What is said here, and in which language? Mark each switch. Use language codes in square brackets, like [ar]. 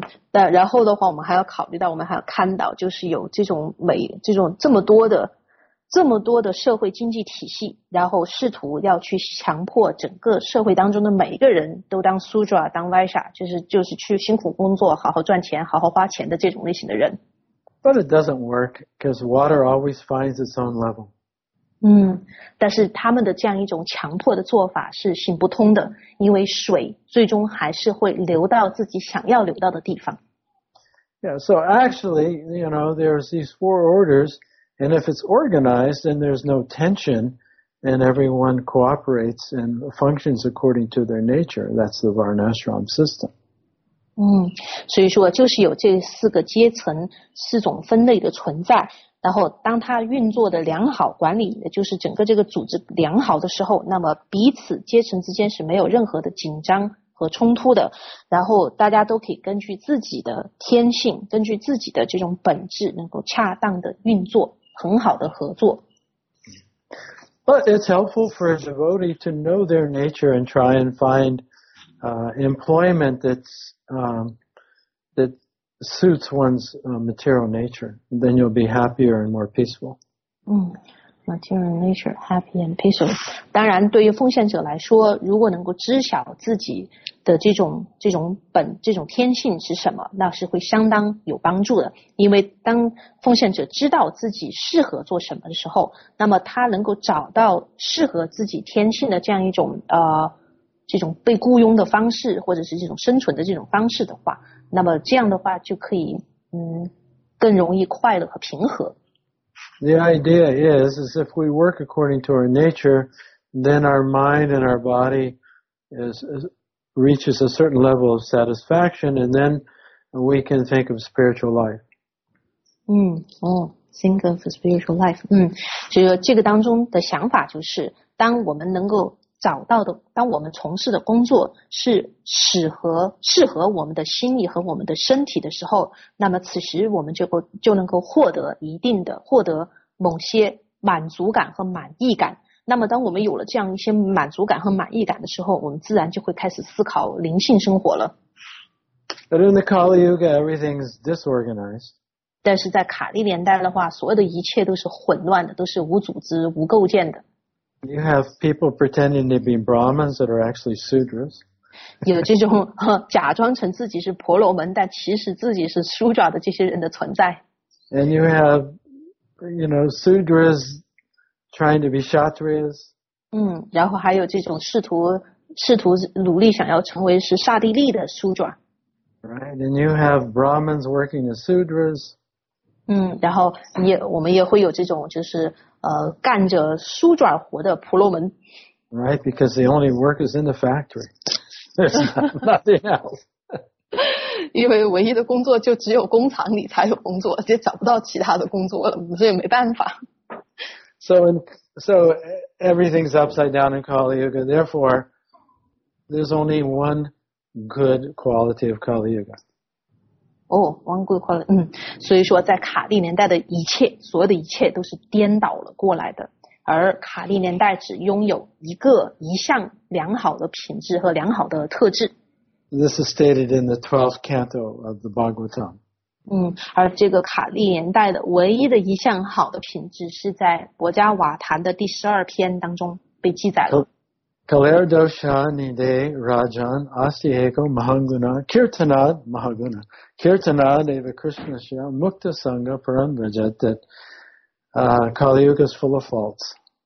[zh] 但然后的话，我们还要考虑到，我们还要看到，就是有这种美，这种这么多的社会经济体系，然后试图要去强迫整个社会当中的每一个人都当 Sudra 当 Vaishya， 就是去辛苦工作，好好赚钱，好好花钱的这种类型的人。 [en] But it doesn't work because water always finds its own level. [zh] 但是他们的这样一种强迫的做法是行不通的，因为水最终还是会流到自己想要流到的地方。 [en] Yeah, so actually, you know, there's these four orders, and if it's organized, then there's no tension, and everyone cooperates and functions according to their nature. That's the Varnashram system. [zh] 所以说就是有这四个阶层、四种分类的存在。然后当它运作的良好，管理就是整个这个组织良好的时候，那么彼此阶层之间是没有任何的紧张和冲突的，然后大家都可以根据自己的天性，根据自己的这种本质，能够恰当的运作，很好的合作。 [en] But it's helpful for a devotee to know their nature and try and find employment that suits one's material nature, then you'll be happier and more peaceful. Material nature, happy and peaceful. [zh] 当然对于奉献者来说，如果能够知晓自己的这种天性是什么，那是会相当有帮助的。因为当奉献者知道自己适合做什么的时候，那么他能够找到适合自己天性的这样一种这种被雇佣的方式，或者是这种生存的这种方式的话，那么这样的话就可以更容易快乐和平和。 [en] The idea is if we work according to our nature, then our mind and our body reaches a certain level of satisfaction, and then we can think of spiritual life. Think of spiritual life. [zh] 就是这个当中的想法就是，当我们能够找到的，当我们从事的工作是适合我们的心理和我们的身体的时候，那么此时我们就能够获得某些满足感和满意感。那么当我们有了这样一些满足感和满意感的时候，我们自然就会开始思考灵性生活了。 [en] But in the Kali Yuga, everything is disorganized. [zh] 但是在卡利年代的话，所有的一切都是混乱的，都是无组织、无构建的。 [en] You have people pretending to be Brahmins that are actually Sudras. [zh] 有这种假装成自己是婆罗门，但其实自己是 Sudra 的这些人的存在。 [en] And you have, you know, Sudras trying to be Kshatriyas. [zh] 然后还有这种试图努力想要成为是刹帝利的 Sudra. [en] Right, and you have Brahmins working as Sudras. [zh] 然后我们也会有这种就是干着梳爪活的婆罗门。 [en] Right, because the only work is in the factory. There's nothing else. [zh] 因为唯一的工作就只有工厂里才有工作，就找不到其他的工作了，所以没办法。 [en] So everything's upside down in Kali Yuga. Therefore, there's only one good quality of Kali Yuga. One good quality. [zh] 所以说在卡利年代的一切，所有的一切都是颠倒了过来的，而卡利年代只拥有一项良好的品质和良好的特质。 [en] This is stated in the 12th canto of the Bhagavatam. [zh] 而这个卡利年代的唯一的一项好的品质是在博迦瓦坛的第12篇当中被记载了。 [sa] Kalera dosha nide rajan astiheko mahanguna kirtanad mahaguna kirtanad eva krishnasya mukta sangha param rajat [en] that Kali Yuga is full of faults.